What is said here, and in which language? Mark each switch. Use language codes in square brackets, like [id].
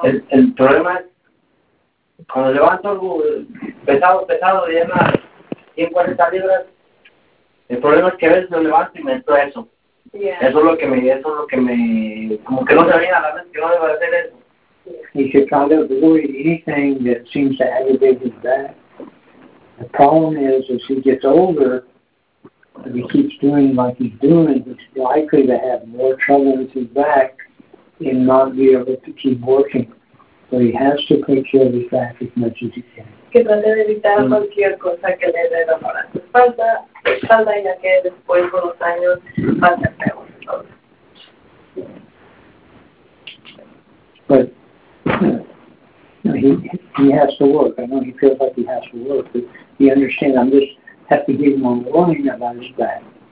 [es] El problema es, cuando levanto algo pesado, ya más 140 libras, el problema es que a veces lo levanto y me entro eso. Yeah. Eso es lo que me, como que no se viene a la mente que no debo hacer eso. [en] He should try to avoid anything that seems to aggravate his back. The problem is, as he gets older, if he keeps doing like he's doing, he's likely to have more trouble with his back and not be able to keep working. So he has to take care of his back as much as he can. [es] Que trate de evitar cualquier cosa que le dé dolor a su espalda, ya que después con los años va a ser peor. [en] But he has to work. I know he feels like he has to work, but he understands. I'm just after gave him a warning about his back.